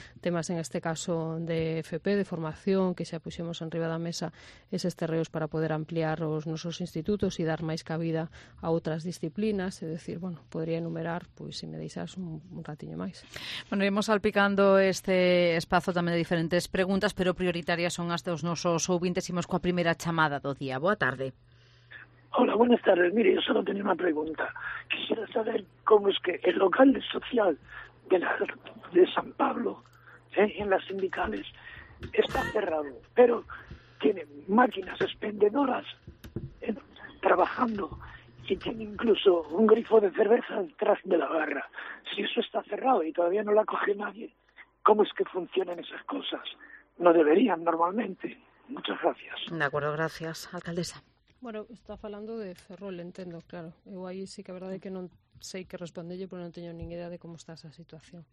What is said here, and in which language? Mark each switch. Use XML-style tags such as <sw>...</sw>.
<gl>Temas en este caso de FP, de formación, que xa puxemos en riba da mesa eses terreos para poder ampliar os nosos institutos e dar máis cabida a outras disciplinas, é decir, bueno, podría enumerar, pois se me deixas un ratiño máis. Bueno, iremos salpicando este espazo tamén de diferentes preguntas, pero prioritarias son as dos nosos ouvintes, imos coa primeira chamada do día. Boa tarde.</gl> <es>Hola, buenas tardes. Mire, yo solo tenía una pregunta. Quisiera saber cómo es que el local social de San Pablo, en las sindicales, está cerrado, pero tiene máquinas expendedoras trabajando y tiene incluso un grifo de cerveza detrás de la barra. Si eso está cerrado y todavía no la coge nadie, ¿cómo es que funcionan esas cosas? No deberían normalmente. Muchas gracias. De acuerdo, gracias, alcaldesa.</es> <gl>Bueno, está falando de Ferrol, entendo, claro. Eu aí sí que a verdade é que non sei que respondelle, pero non teño nin idea de como está esa situación.</gl>